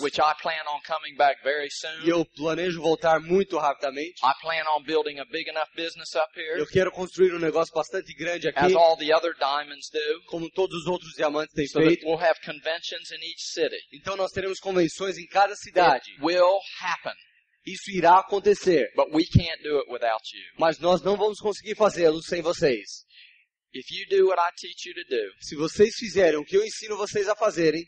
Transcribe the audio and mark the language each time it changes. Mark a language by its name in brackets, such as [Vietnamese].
[English] which I plan on coming back very soon, [Portuguese] eu planejo voltar muito rapidamente. [English] I plan on building a big enough business up here. [Portuguese] Eu quero construir um negócio bastante grande aqui. [English] As all the other diamonds do. [Portuguese] Como todos os outros diamantes têm [English] so [Portuguese] feito. [English] We'll have conventions in each city. [Portuguese] Então nós teremos convenções em cada cidade. [English] It will happen. [Portuguese] Isso irá acontecer. [English] But we can't do it without you. [Portuguese] Mas nós não vamos conseguir fazê-lo sem vocês. [English] If you do what I teach you to do, [Portuguese] se vocês fizerem o que eu ensino vocês a fazerem,